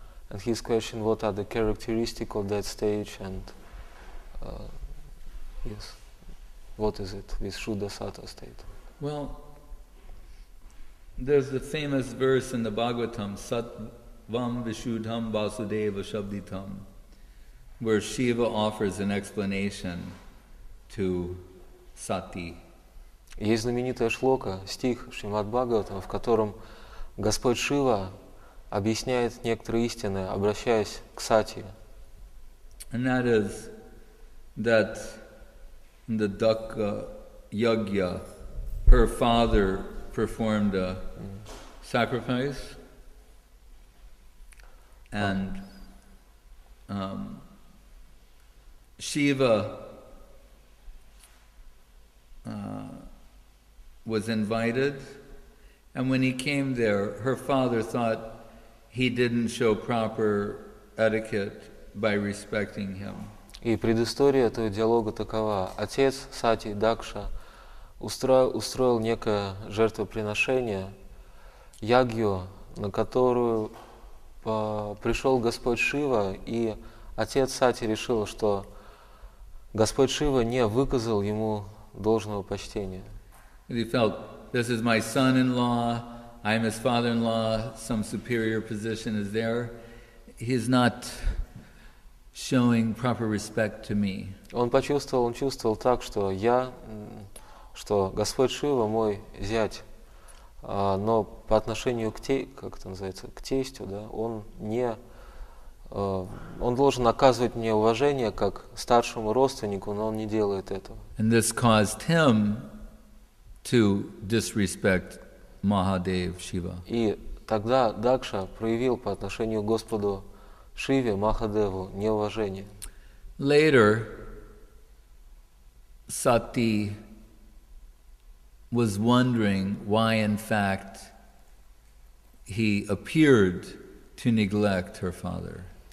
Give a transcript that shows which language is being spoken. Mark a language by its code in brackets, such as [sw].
[en] And his question, what are the characteristics of that stage? And yes, what is it with Shuddha Sattva state? Well, there's the famous verse in the Bhagavatam, [sa] Sattvam Vishuddham Vasudeva Shabditam, [en] where Shiva offers an explanation to Sati. [ru] Есть знаменитая шлока, стих Шримад Бхагаватам, в котором Господь Шива объясняет некоторые истины, обращаясь к Сати. [en] And that is that the Dukkha Yagya, her father performed a sacrifice, and Shiva was invited, and when he came there, her father thought he didn't show proper etiquette by respecting him. [ru] И предыстория этого диалога такова: отец Сати Дакша устроил некое жертвоприношение ягью, на которую пришел Господь Шива, и отец Сати решил, что Господь Шива не выказал ему должного почтения. [en] He felt, this is my son-in-law, I am his father-in-law, some superior position is there. He is not showing proper respect to me. [ru] Он чувствовал так, что Господь Шива мой зять, но по отношению к тестю, да, он не он должен оказывать мне уважение как старшему родственнику, но он не делает этого. [en] And this caused him to disrespect Mahadev Shiva. [ru] И тогда Дакша проявил по отношению к Господу Шиве Махадеву неуважение. [en] Later, Sati was wondering why, in fact, he appeared to neglect her father.